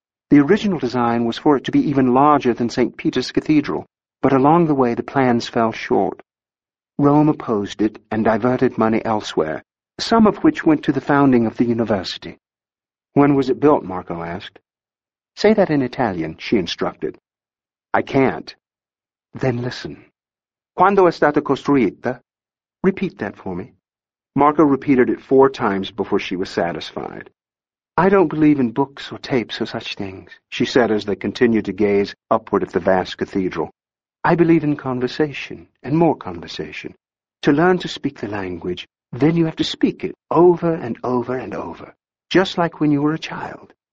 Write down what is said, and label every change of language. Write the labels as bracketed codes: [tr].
[en] The original design was for it to be even larger than St. Peter's Cathedral, but along the way the plans fell short. Rome opposed it and diverted money elsewhere, some of which went to the founding of the university. When was it built? Marco asked. Say that in Italian, she instructed. I can't. Then listen. [it] Quando è stata costruita? [en] Repeat that for me. Marco repeated it four times before she was satisfied. I don't believe in books or tapes or such things, she said as they continued to gaze upward at the vast cathedral. I believe in conversation and more conversation. To learn to speak the language, then you have to speak it over and over and over, just like when you were a child.